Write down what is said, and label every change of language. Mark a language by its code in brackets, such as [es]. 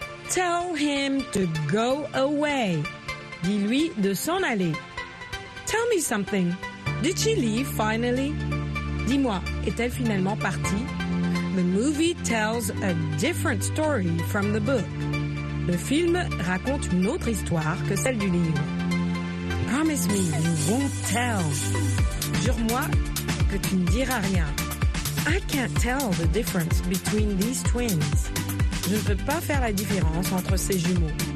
[en] Tell him to go away. [fr] Dis-lui de s'en aller. [en] Tell me something. Did she leave finally? [fr] Dis-moi, est-elle finalement partie? [en] The movie tells a different story from the book. [fr] Le film raconte une autre histoire que celle du livre. [en] Promise me you won't tell. [fr] Jure-moi que tu ne diras rien. [en] I can't tell the difference between these twins. [fr] Je ne peux pas faire la différence entre ces jumeaux.